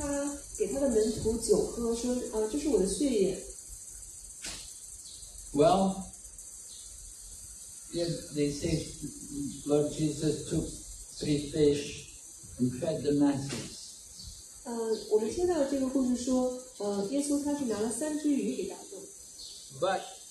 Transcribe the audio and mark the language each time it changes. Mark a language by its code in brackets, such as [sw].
[zh] 帕布的问题就是在基督教当中，刚才讲到他们会吃肉和喝酒。帕布就说，那我们听到这样的故事，耶稣他给他的门徒酒喝，说，这是我的血液。 [en] Well, they say Lord Jesus took three fish and fed the masses. [zh] 我们听到这个故事说，耶稣他是拿了三只鱼给大众。 [en] But